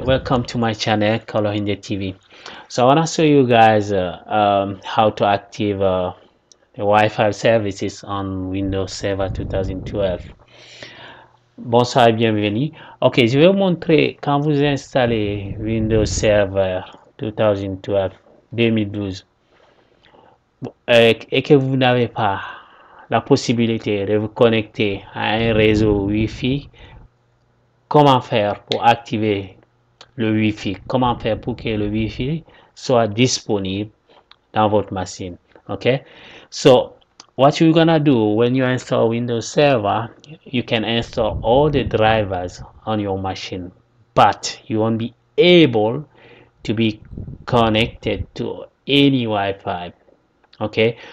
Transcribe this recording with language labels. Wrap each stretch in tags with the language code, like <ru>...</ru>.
<en>Welcome to my channel, Color in the TV. So I want to show you guys how to active the Wi-Fi services on Windows Server 2012.</en> <fr>Bonsoir et bienvenue. Ok, je vais vous montrer quand vous installez Windows Server 2012 et que vous n'avez pas la possibilité de vous connecter à un réseau Wi-Fi. Comment faire pour activer le Wi-Fi? Comment faire pour que le Wi-Fi soit disponible dans votre machine? Ok?</fr> <en>So, what you're gonna do when you install Windows Server, you can install all the drivers on your machine, but you won't be able to be connected to any Wi-Fi. Ok?</en>